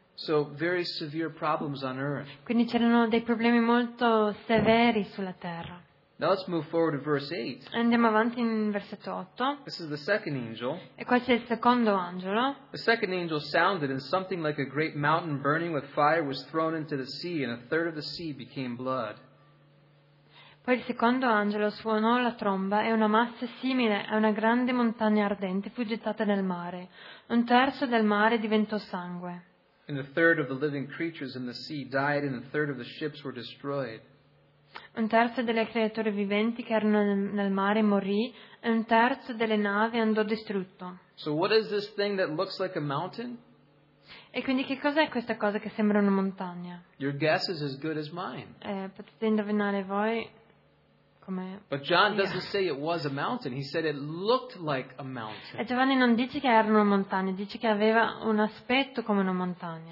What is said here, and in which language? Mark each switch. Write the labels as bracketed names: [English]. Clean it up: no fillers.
[English] So very severe problems on earth. [Italian] Quindi c'erano dei problemi molto severi sulla terra. [English] Now let's move forward to verse 8. [Italian] Andiamo avanti in versetto 8. [English] This is the second angel. [Italian] E qua c'è il secondo angelo. [English] The second angel sounded, and something like a great mountain burning with fire was thrown into the sea, and a third of the sea became blood. [Italian] Poi il secondo angelo suonò la tromba e una massa simile a una grande montagna ardente fu gettata nel mare. Un terzo del mare diventò sangue. [English] And a third of the living creatures in the sea died, and a third of the ships were destroyed. [Italian] Un terzo delle creature viventi che erano nel mare morì e un terzo delle navi andò distrutto. [English] So what is this thing that looks like a mountain? [Italian] E quindi che cos'è questa cosa che sembra una montagna? [English] Your guess is as good as mine. [Italian] Potete indovinare voi come. [English] But John doesn't say it was a mountain. He said it looked like a mountain. [Italian] E Giovanni non dice che era una montagna, dice che aveva un aspetto come una montagna.